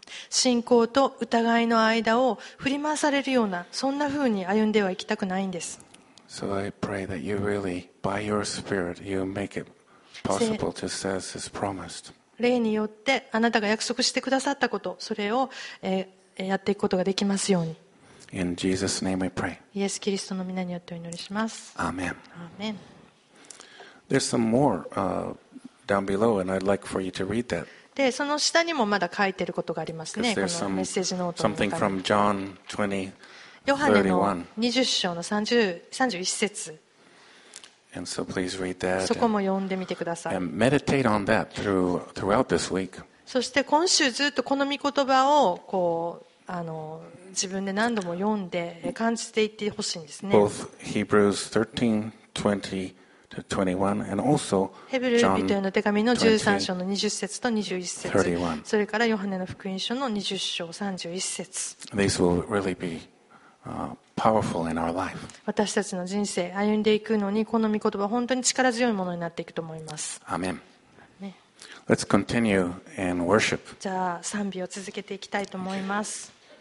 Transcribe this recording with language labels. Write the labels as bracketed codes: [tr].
[ja] 信仰と疑いの間を振り回されるような、そんな風に歩んではいきたくないんです。 [en] So I pray that you really, by your spirit, you make it possible to say as is promised. [ja] 霊によってあなたが約束してくださったこと、それをやっていくことができますように。 [en] In Jesus' name we pray. [ja] イエス・キリストの御名によってお祈りします。アーメン。アーメン。 [en] There's some more down below and I'd like for you to read that. [ja] で、その下にもまだ書いてることがありますね、このメッセージノートの中に。 [en] Something from John 20:31. [ja] ヨハネの 20章の31節。 [en] And so please read that. [ja] そこも読んでみてください。 [en] And meditate on that throughout this week. [ja] そして今週ずっとこの御言葉をこう自分で何度も読んで感じていってほしいんですね。 [en] Both Hebrews 13:20-21 and also [ja] ヘブル人への手紙の13章の20節と21節。それからヨハネの福音書の20章31節。 [en] These will really be powerful in our life. [ja] 私たちの人生歩んでいくのにこの御言葉は本当に力強いものになっていくと思います。アーメン。 [en] Let's continue in worship. [ja] じゃあ賛美を続けていきたいと思います。